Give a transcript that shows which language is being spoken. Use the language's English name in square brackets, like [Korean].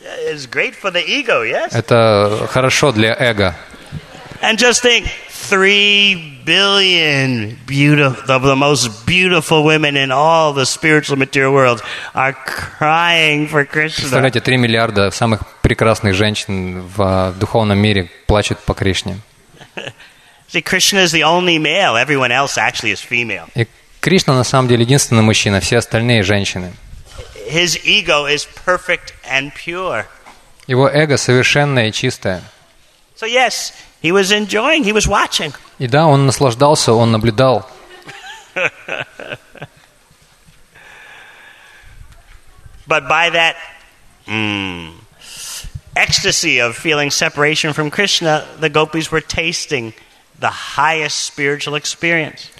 [English] It's great for the ego, yes. [Russian] Это хорошо для эго. [English] And just think, 3 billion of the most beautiful women in all the spiritual material world are crying for Krishna. [Russian] Представляете, 3 миллиарда самых прекрасных женщин в духовном мире плачут по Кришне. [English] See, Krishna is the only male. Everyone else actually is female. [Russian] И Кришна на самом деле единственный мужчина. Все остальные женщины. [English] His ego is perfect and pure. [Russian] Его эго совершенное и чистое. [English] So yes. He was enjoying, he was watching. [Russian] И да, он наслаждался, он наблюдал. [English] But by that ecstasy of feeling separation from Krishna, the gopis were tasting the highest spiritual experience.